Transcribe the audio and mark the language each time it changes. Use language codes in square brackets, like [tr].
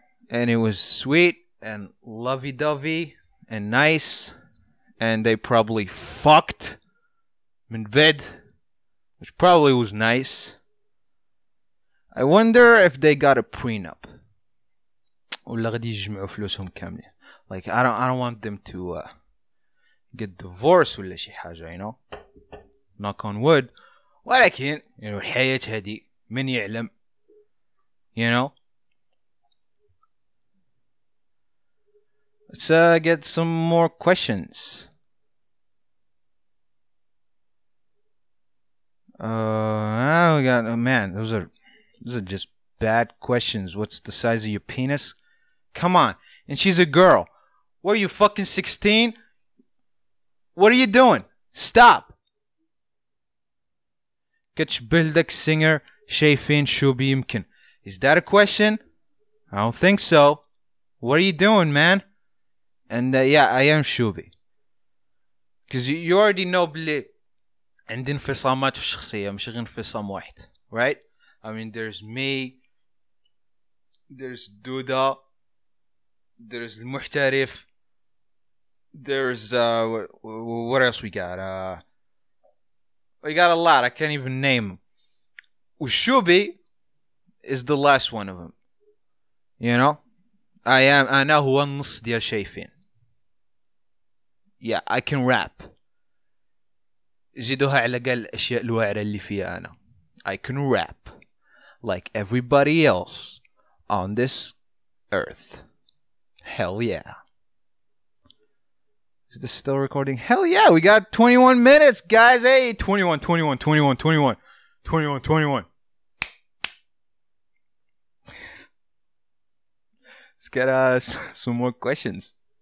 [en] And it was sweet and lovey-dovey and nice. And they probably fucked in bed, which probably was nice. I wonder if they got a prenup. [ar] ولا غادي يجمعوا فلوسهم كاملة. [en] Like I don't want them to get divorced [ar] ولا شي حاجة, [en] you know. Knock on wood. [ar] ولكن [en] you know [ar] الحياة هذه من يعلم, you know. [en] Let's get some more questions. We got oh man, those are just bad questions. What's the size of your penis? Come on, and she's a girl. What are you fucking 16? What are you doing? Stop. كتشبلدك سينجر شايفين شو بيمكن. Is that a question? I don't think so. What are you doing, man? And yeah, I am شوبي. Because you already know [ar] بلي عندي انفصامات في الشخصية مش غير انفصام واحد. [en] Right? I mean, there's me. There's دودا. There's المحترف. There's what else we got? We got a lot. I can't even name them. وشوبي is the last one of them. You know, I am. [ar] أنا هو النص ديال شايفين. [en] Yeah, I can rap. [ar] زيدوها على قال الأشياء الوعرة اللي فيها أنا. [en] I can rap like everybody else on this earth. Hell yeah. Is this still recording? Hell yeah, we got 21 minutes, guys. Hey, 21. Let's get some more questions.